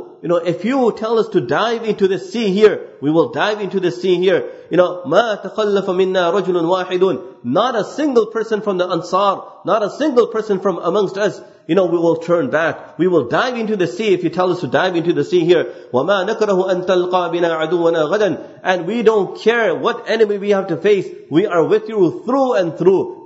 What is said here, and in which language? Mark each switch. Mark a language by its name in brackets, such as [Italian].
[English] You know, if you tell us to dive into the sea here, we will dive into the sea here. You know, [Arabic] مَا تَخَلَّفَ مِنَّا رَجُلٌ وَاحِدٌ. [English] Not a single person from the Ansar, not a single person from amongst us, you know, we will turn back. We will dive into the sea if you tell us to dive into the sea here. [Arabic] وَمَا نَكْرَهُ أَن تَلْقَى بِنَا عَدُوَّنَا غَدًا. [English] And we don't care what enemy we have to face. We are with you through and through.